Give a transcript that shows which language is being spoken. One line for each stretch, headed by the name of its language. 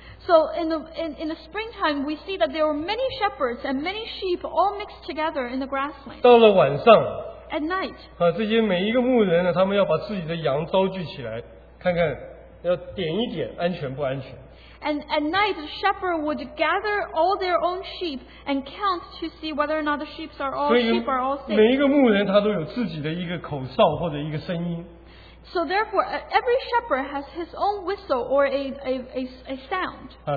English: So in the springtime, we see that there were many shepherds and many sheep all mixed together in the grassland.
Chinese: 到了晚上,
English: at night,
Chinese: 啊，这些每一个牧人呢, 他们要把自己的羊招聚起来，看看要点一点，安全不安全。
English: And at night, the shepherd would gather all their own sheep and count to see whether or not the sheep are all safe.
Chinese: 每一个牧人他都有自己的一个口哨或者一个声音。
English: So therefore, every shepherd has his own whistle or a sound.